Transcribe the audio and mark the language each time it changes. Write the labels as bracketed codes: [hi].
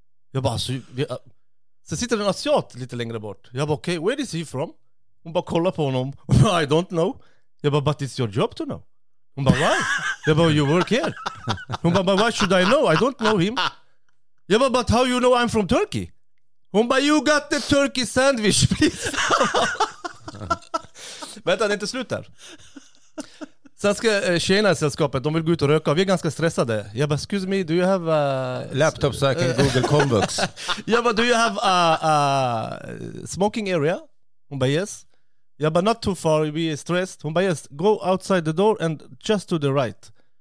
[sv] Jag bara, så sitter en asiat lite längre bort. Jag bara, okej, [en] okay, where is he from? [sv] Hon bara, kolla på honom. [en] I don't know. [sv] Jag bara, [en] but it's your job to know. [sv] Hon bara, [en] why? Jag bara, you work here. [sv] Hon bara, [en] why should I know? I don't know him. [sv] Jag bara, [en] but how you know I'm from Turkey? Hon bara, you got the turkey sandwich, please. [sv] Vänta, det är inte slut där. Sen ska tjejerna i sällskapet, de vill gå ut och röka. Vi är ganska stressade. Jag bara, [en] excuse me, do you have a... [sv] Laptop så jag kan Google Chromebook. Jag bara, [en] do you have a smoking area? [sv] Hon bara, [en] yes. [sv] Jag bara, [en] not too far, we are stressed. [sv] Hon bara, [en] yes, go outside the door and just to the right.